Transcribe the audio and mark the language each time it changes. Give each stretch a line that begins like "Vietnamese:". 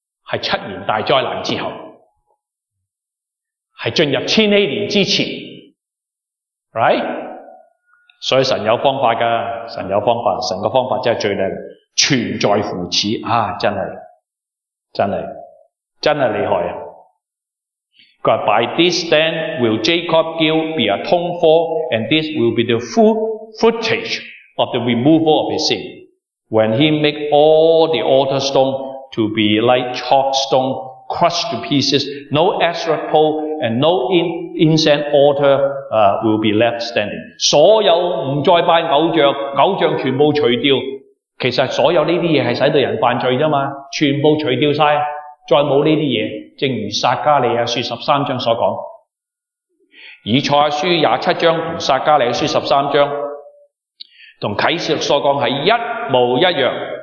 Cantonese: 系七年大灾难之后，系进入千禧年之前 ，
English: right？
Cantonese: 所以神有方法噶，神有方法，神嘅方法真系最靓。存在乎此啊！真系，真系，真系厉害啊！佢話
English: ：By this then will Jacob guilt be atoned for, and this will be the full footage of the removal of his sin, when he make all the altar stone to be like chalk stone crushed to pieces, no Asherah pole and no incense altar will be left standing.
Cantonese: 所有唔再拜偶像，偶像全部除掉。其實所有呢啲嘢係使到人犯罪啫嘛，全部除掉曬，再冇呢啲嘢。正如撒加利亚书十三章所讲，以赛亚书廿七章同撒加利亚书十三章同启示录所讲系一模一样。